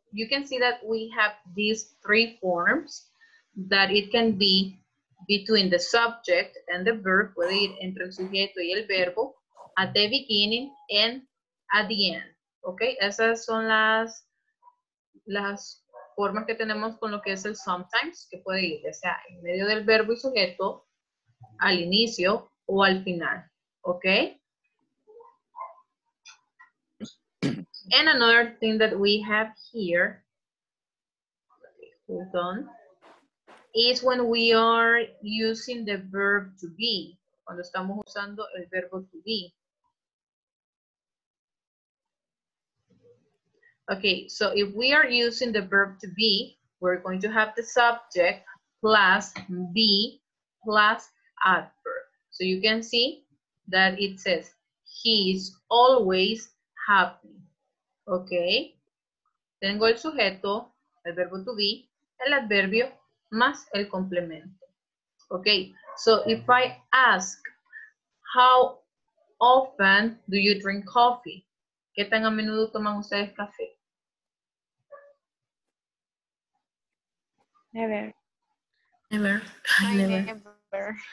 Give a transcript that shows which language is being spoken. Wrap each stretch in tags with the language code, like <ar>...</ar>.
<en>you can see that we have these three forms that it can be between the subject and the verb,</en> <es>puede ir entre el sujeto y el verbo,</es> <en>at the beginning and at the end.</en> <es>Okay, esas son las formas que tenemos con lo que es el sometimes, que puede ir, ya sea en medio del verbo y sujeto, al inicio o al final.</es> <en>Okay. And another thing that we have here, hold on, is when we are using the verb to be,</en> <es>cuando estamos usando el verbo to be.</es> <en>Okay, so if we are using the verb to be, we're going to have the subject plus be plus adverb. So you can see that it says, he is always happy.</en> <es>Ok, tengo el sujeto, el verbo to be, el adverbio, más el complemento.</es> <en>Ok, so if I ask, how often do you drink coffee?</en> <es>¿Qué tan a menudo toman ustedes café?</es> <en>Never. Never. Never.</en>